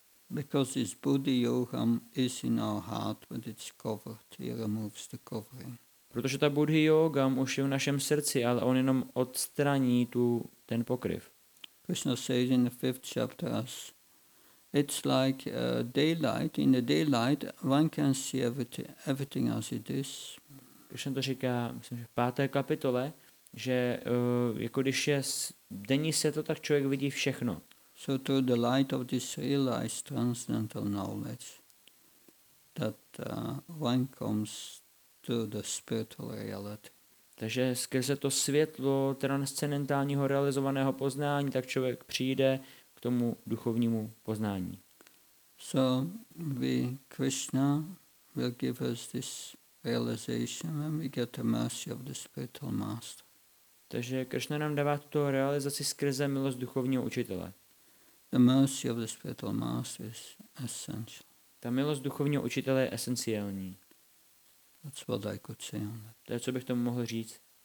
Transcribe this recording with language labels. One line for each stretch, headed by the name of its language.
English: Because his Buddha Yogam is in our heart, but it's covered, he removes the covering.
Czech: Protože ta Buddha Yogam už je v našem srdci, ale on jenom odstraní ten pokryv.
English: Krishna says in the fifth chapter, it's like daylight. In the daylight, one can see everything as it is.
Czech: Krishna to říká, myslím, že v páté kapitole, že jako když je denní světlo, tak člověk vidí všechno.
English: So through the light of this realized transcendental knowledge that one comes to the spiritual reality.
Czech: Takže skrze to světlo transcendentálního realizovaného poznání, tak člověk přijde k tomu duchovnímu poznání.
English: So we, Krishna will give us this realization when we get the mercy of the spiritual master.
Czech: Takže Krishna nám dává tuto realizaci skrze milost duchovního učitele.
English: The mercy of the spiritual master is essential.
Czech: Ta milost duchovního učitele je esenciální.
English: That's what I could say on that.
Czech: To je, co bych tomu mohl říct.